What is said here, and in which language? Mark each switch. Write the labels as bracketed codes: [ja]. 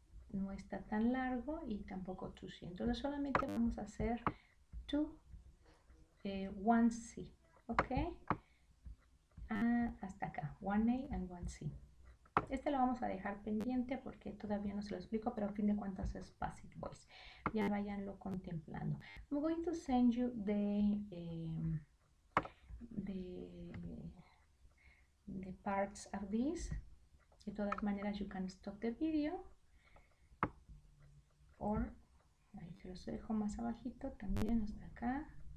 [es] No está tan largo y tampoco [en] to see. [es] Entonces solamente vamos a hacer [en] to, one see. [es] ¿Ok? Hasta acá, [en] 1A and 1C. [es] Este lo vamos a dejar pendiente porque todavía no se lo explico, pero a fin de cuentas es [en] passive voice. [es] Ya váyanlo contemplando. [en] I'm going to send you the parts of this. [es] De todas maneras, [en] you can stop the video. [es] Or, ahí se los dejo más abajito también, hasta acá.